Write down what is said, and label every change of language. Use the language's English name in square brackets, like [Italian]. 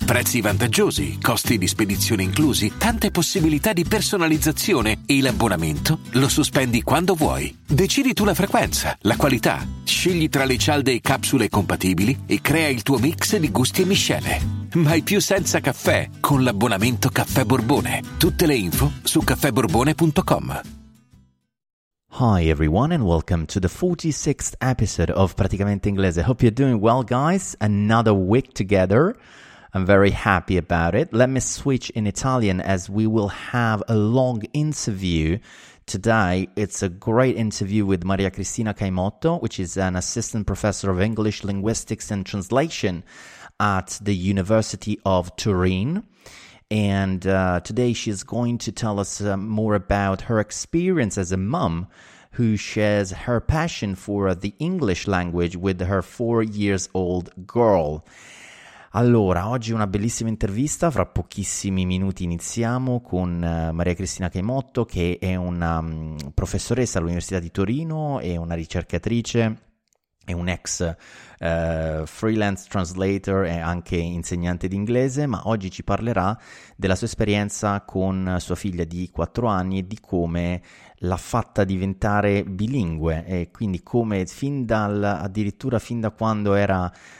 [Italian] Prezzi vantaggiosi, costi di spedizione inclusi, tante possibilità di personalizzazione e l'abbonamento lo sospendi quando vuoi. Decidi tu la frequenza, la qualità, scegli tra le cialde e capsule compatibili e crea il tuo mix di gusti e miscele. Mai più senza caffè con l'abbonamento Caffè Borbone. Tutte le info su caffèborbone.com. [English] Hi everyone and welcome to the 46th episode of Praticamente Inglese. Hope you're doing well, guys. Another week together. I'm very happy about it. Let me switch in Italian as we will have a long interview today. It's a great interview with Maria Cristina Caimotto, which is an assistant professor of English, linguistics and translation at the University of Turin. And today she is going to tell us more about her experience as a mum who shares her passion for the English language with her 4-year-old girl. [Italian] Allora, oggi una bellissima intervista, fra pochissimi minuti iniziamo con Maria Cristina Caimotto, che è una professoressa all'Università di Torino e una ricercatrice. È un ex [English] freelance translator [Italian] e anche insegnante d'inglese, ma oggi ci parlerà della sua esperienza con sua figlia di 4 anni e di come l'ha fatta diventare bilingue e quindi come addirittura fin da quando era